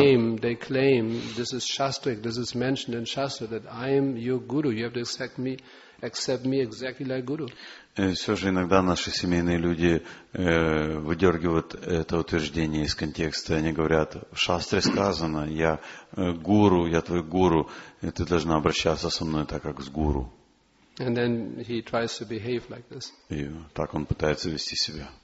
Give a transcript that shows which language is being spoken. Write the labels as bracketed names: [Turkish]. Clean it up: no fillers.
[English] they claim this is shastric, this is mentioned in shastra that I am your guru, you have to accept me exactly like guru. [Russian] Все же иногда наши семейные люди выдергивают это утверждение из контекста. Они говорят: в шастре сказано, я гуру, я твой гуру, и ты должна обращаться со мной так, как с гуру. [English] And then he tries to behave like this. [Russian] И так он пытается вести себя.